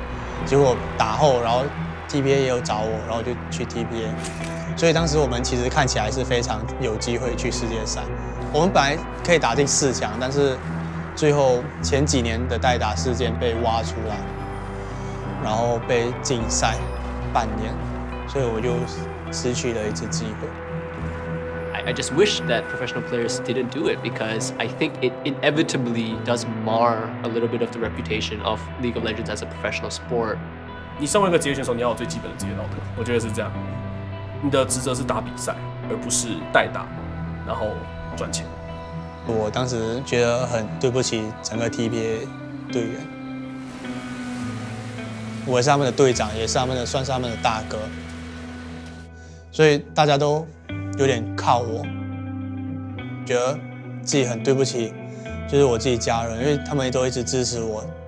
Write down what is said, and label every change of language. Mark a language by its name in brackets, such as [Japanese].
[Chinese] 就帮他打后，他就一年多都没把钱还给我。结果打后，然后 TBA 也有找我，然后就去 TBA。所以当时我们其实看起来是非常有机会去世界赛。我们本来可以打进四强，但是最后前几年的代打事件被挖出来，然后被禁赛半年，所以我就失去了一次机会。 [English] I, I just wish that professional players didn't do it, because I think it inevitably does mar a little bit of the reputation of League of Legends as a professional sport. [Chinese] 你上完一个职业选手，你要有最基本的职业道德。我觉得是这样，你的职责是打比赛，而不是代打，然后赚钱。我当时觉得很对不起整个TBA队员，我是他们的队长，也是他们的算是他们的大哥，所以大家都有点靠我，觉得自己很对不起，就是我自己家人，因为他们都一直支持我。